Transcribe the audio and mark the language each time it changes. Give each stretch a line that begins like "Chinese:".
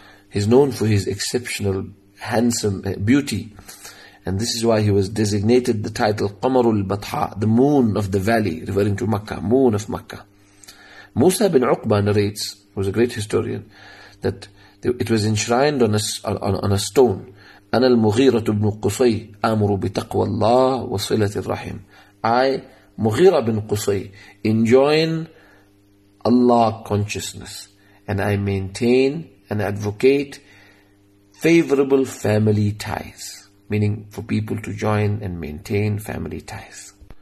English: He's known for his exceptional, handsome beauty. And this is why he was designated the title Qamarul Batha, the moon of the valley, referring to Makkah, moon of Makkah. Musa bin Uqba narrates, who's a great historian, that it was enshrined on a stone.
Arabic: أنا المغيرة بن قصي أمر بتقوى الله وصلة الرحم.
English: I, Mughira bin Qusay, enjoin Allah consciousness, and I maintain and advocate favorable family ties, meaning for people to join and maintain family ties.